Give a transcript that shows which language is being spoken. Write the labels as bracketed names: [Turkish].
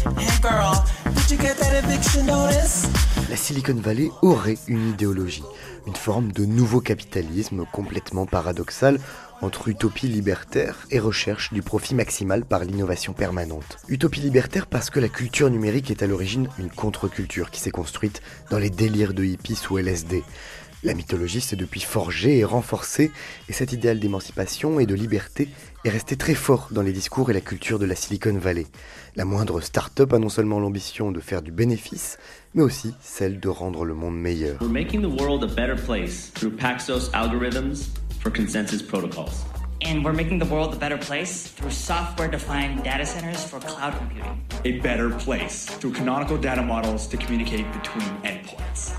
[English] Hey girl, did you get that eviction notice? [French] La Silicon Valley aurait une idéologie, une forme de nouveau capitalisme complètement paradoxal entre utopie libertaire et recherche du profit maximal par l'innovation permanente. Utopie libertaire parce que la culture numérique est à l'origine une contre-culture qui s'est construite dans les délires de hippies sous LSD. La mythologie s'est depuis forgée et renforcée, et cet idéal d'émancipation et de liberté est resté très fort dans les discours et la culture de la Silicon Valley. La moindre start-up a non seulement l'ambition de faire du bénéfice, mais aussi celle de rendre le monde meilleur. [English] We're making the world a better place through Paxos algorithms for consensus protocols. And we're making the world a better place through software-defined data centers for cloud computing. A better place through canonical data models to communicate between endpoints.